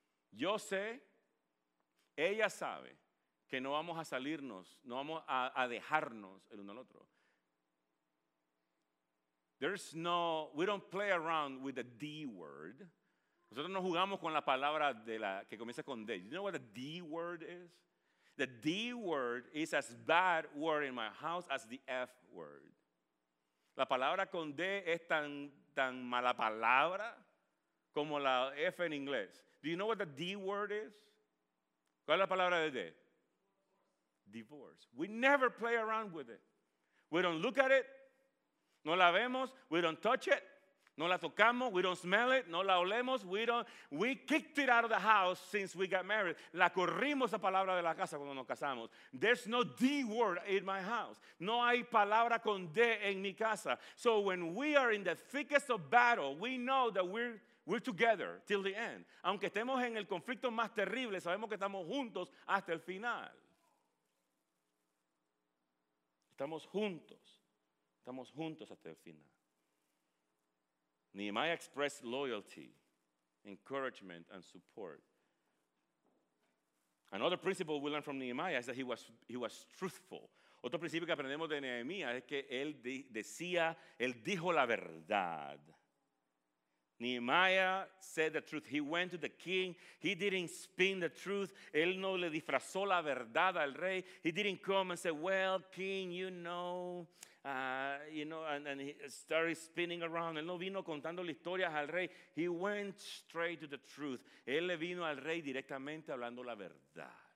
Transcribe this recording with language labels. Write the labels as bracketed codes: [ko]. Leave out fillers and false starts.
[es] Yo sé, ella sabe que no vamos a salirnos, no vamos a dejarnos el uno al otro. [en] We don't play around with the D word. [es] Nosotros no jugamos con la palabra que comienza con D. [en] You know what the D word is? The D word is as bad word in my house as the F word. [es] La palabra con D es tan mala palabra como la F en inglés. [en] Do you know what the D word is? [es] ¿Cuál es la palabra de D? [en] Divorce. We never play around with it. We don't look at it. [es] No la vemos. [en] We don't touch it. [es] No la tocamos, [en] we don't smell it, [es] no la olemos, [en] we kicked it out of the house since we got married. [es] La corrimos esa palabra de la casa cuando nos casamos. [en] There's no D word in my house. [es] No hay palabra con D en mi casa. [en] So when we are in the thickest of battle, we know that we're together till the end. [es] Aunque estemos en el conflicto más terrible, sabemos que estamos juntos hasta el final. Estamos juntos hasta el final. [en] Nehemiah expressed loyalty, encouragement, and support. Another principle we learn from Nehemiah is that he was truthful. [es] Otro principio que aprendemos de Nehemiah es que él dijo la verdad. [en] Nehemiah said the truth. He went to the king. He didn't spin the truth. [es] Él no le disfrazó la verdad al rey. [en] He didn't come and say, "Well, king, and he started spinning around." [es] Él no vino contando historias al rey. [en] He went straight to the truth. [es] Él le vino al rey directamente hablando la verdad.